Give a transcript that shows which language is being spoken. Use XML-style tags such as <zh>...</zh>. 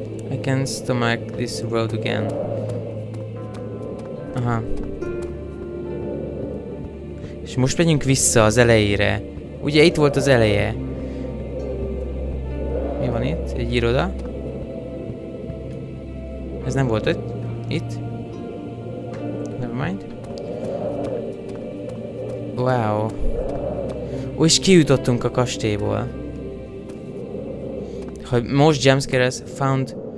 <en>I can't stomach this road again. Aha.</en> <hu>És most menjünk vissza az elejére. Ugye itt volt az eleje. Mi van itt? Egy iroda. Ez nem volt itt.</hu> <en>Never mind. Wow.</en> <hu>Úgy is kijutottunk a kastélyból. Ha most jumpscare-ez found...</hu>